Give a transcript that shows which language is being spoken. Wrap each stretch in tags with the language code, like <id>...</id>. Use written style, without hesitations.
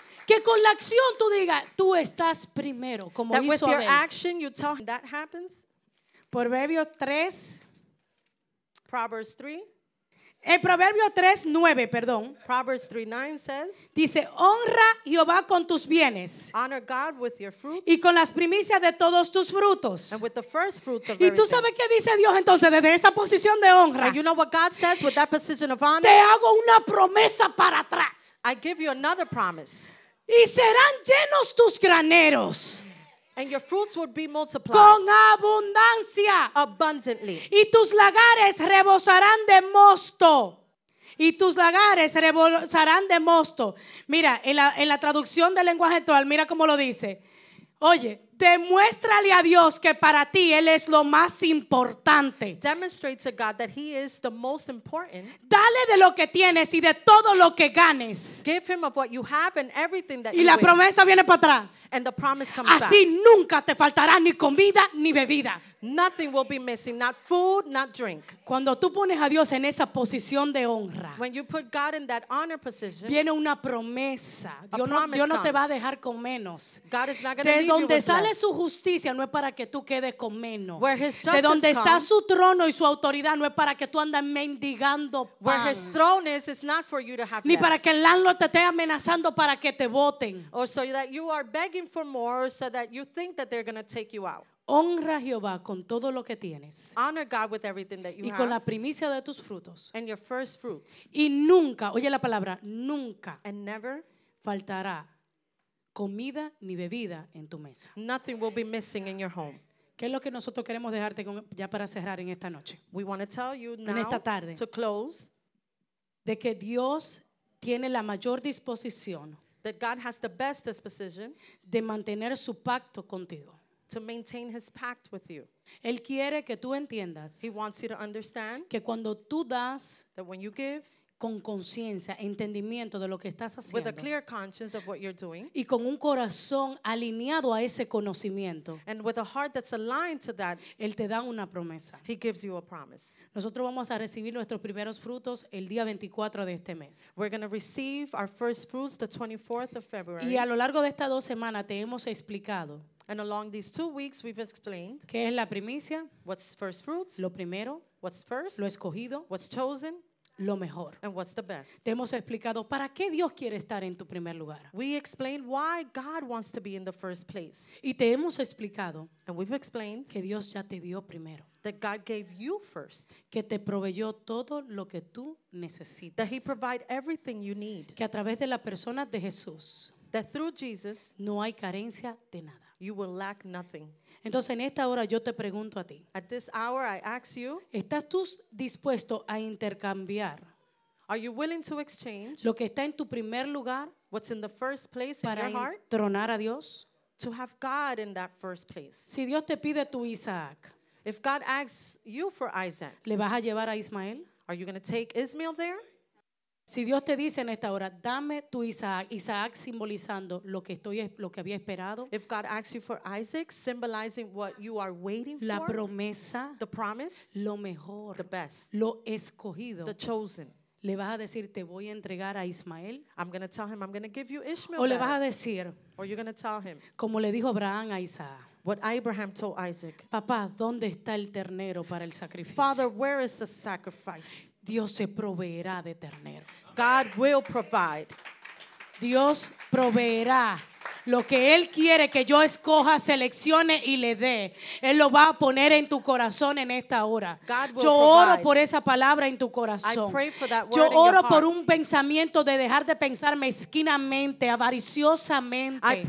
<es>Que con la acción tú digas, tú estás primero, como</es> <en>that</en> <es>hizo Abel.</es> <en>That with your action you tell him that happens.</en> <es>Proverbios 3.</es> <en>Proverbs 3.</en> <es>El Proverbio 3, 9, perdón.</es> <en>Proverbs 3, 9 says.</en> <es>Dice, honra Jehová con tus bienes.</es> <en>Honor God with your fruits.</en> <es>Y con las primicias de todos tus frutos.</es> <en>And with the first fruits of everything.</en> <es>Y tú sabes qué dice Dios entonces desde esa posición de honra.</es> <en>And you know what God says with that position of honor.</en> <es>Te hago una promesa para atrás.</es> <en>I give you another promise.</en> <es>Y serán llenos tus graneros.</es> <en>And your fruits would be multiplied.</en> <es>Con abundancia.</es> <en>Abundantly.</en> <es>Y tus lagares rebosarán de mosto. Y tus lagares rebosarán de mosto. Mira, en la traducción del lenguaje actual, mira cómo lo dice. Oye, demuéstrale a Dios que para ti Él es lo más importante.</es> <en>Demonstrate to God that He is the most important.</en> <es>Dale de lo que tienes y de todo lo que ganes.</es> <en>Give Him of what you have and everything that</en> <es>y</es> <en>you</en> <es>la promesa</es> <en>win.</en> <es>Viene para atrás.</es> <en>And the promise comes</en> <es>así</es> <en>back.</en> <es>Así nunca te faltará ni comida ni bebida.</es> <en>Nothing will be missing, not food, not drink.</en> <es>Cuando tú pones a Dios en esa posición de honra,</es> <en>when you put God in that honor position,</en> <es>viene una promesa. Dios no te va a dejar con menos.</es> <en>God is not going to leave you.</en> <es>De donde sale su justicia no es para que tú quedes con menos.</es> <en>Where His justice</en> <es>de donde</es> <en>comes,</en> <es>está su trono y su autoridad no es para que tú andes mendigando pan.</es> <en>Where His throne is, it's not for you to have</en> <es>ni</es> <en>less.</en> <es>Para que el landlord te esté amenazando para que te voten.</es> <en>Or so that you are begging for more so that you think that they're going to take you out.</en> <es>Honra a Jehová con todo lo que tienes.</es> <en>Honor God with everything that you</en> <es>y con</es> <en>have,</en> <es>la primicia de tus frutos.</es> <en>And your first fruits.</en> <es>Y nunca, oye la palabra, nunca.</es> <en>And never</en> <es>faltará comida ni bebida en tu mesa.</es> <en>Nothing will be missing in your home.</en> <es>¿Qué es lo que nosotros queremos dejarte con, ya para cerrar en esta noche?</es> <en>We want to tell you now,</en> <es>en esta tarde,</es> <en>to close,</en> <es>de que Dios tiene la mayor disposición,</es> <en>that God has the best disposition,</en> <es>de mantener su pacto contigo.</es> <en>To maintain His pact with you.</en> <es>Él quiere que tú entiendas.</es> <en>He wants you to understand.</en> <es>Que cuando tú das.</es> <en>That when you give.</en> <es>Con conciencia, entendimiento de lo que estás haciendo.</es> <en>With a clear conscience of what you're doing.</en> <es>Y con un corazón alineado a ese conocimiento.</es> <en>And with a heart that's aligned to that.</en> <es>Él te da una promesa.</es> <en>He gives you a promise.</en> <es>Nosotros vamos a recibir nuestros primeros frutos el día 24 de este mes.</es> <en>We're going to receive our first fruits the 24th of February.</en> <es>Y a lo largo de estas dos semanas te hemos explicado.</es> <en>And along these 2 weeks, we've explained.</en> <es>¿Qué es la primicia?</es> <en>What's first fruits?</en> <es>Lo primero.</es> <en>What's first?</en> <es>Lo escogido.</es> <en>What's chosen?</en> <es>Lo mejor.</es> <en>And what's the best?</en> <es>Te hemos explicado para qué Dios quiere estar en tu primer lugar.</es> <en>We explained why God wants to be in the first place.</en> <es>Y te hemos explicado.</es> <en>And we've explained.</en> <es>Que Dios ya te dio primero.</es> <en>That God gave you first.</en> <es>Que te proveyó todo lo que tú necesitas.</es> <en>That He provided everything you need.</en> <es>Que a través de la persona de Jesús.</es> <en>That through Jesus.</en> <es>No hay carencia de nada.</es> <en>You will lack nothing.</en> <es>Entonces en esta hora yo te pregunto a ti.</es> <en>At this hour I ask you.</en> <es>¿Estás tú dispuesto a intercambiar?</es> <en>Are you willing to exchange?</en> <es>Lo que está en tu primer lugar.</es> <en>What's in the first place in your heart?</en> <es>Para entronar a Dios.</es> <en>To have God in that first place.</en> <es>Si Dios te pide tu Isaac.</es> <en>If God asks you for Isaac.</en> <es>¿Le vas a llevar a Ismael?</es> <en>Are you going to take Ismael there?</en> <es>Si Dios te dice en esta hora, dame tu Isaac, Isaac simbolizando lo que había esperado.</es> <en>If God asks you for Isaac, symbolizing what you are waiting</en> <es>la</es> <en>for.</en> <es>La promesa.</es> <en>The promise.</en> <es>Lo mejor.</es> <en>The best.</en> <es>Lo escogido.</es> <en>The chosen.</en> <es>Le vas a decir, te voy a entregar a Ismael.</es> <en>I'm going to tell him, I'm going to give you Ishmael.</en> <es>O le vas a decir.</es> <en>Or you're going to tell him.</en> <es>Como le dijo Abraham a Isaac.</es> <en>What Abraham told Isaac.</en> <es>Papá, ¿dónde está el ternero para el sacrificio?</es> <en>Father, where is the sacrifice?</en> <es>Dios se proveerá de ternero.</es> <en>God will provide.</en> <es>Dios proveerá Lo que Él quiere que yo escoja, seleccione y le dé, Él lo va a poner en tu corazón en esta hora. Yo oro por esa palabra en tu corazón. Yo oro por un pensamiento de dejar de pensar mezquinamente, avariciosamente.</es>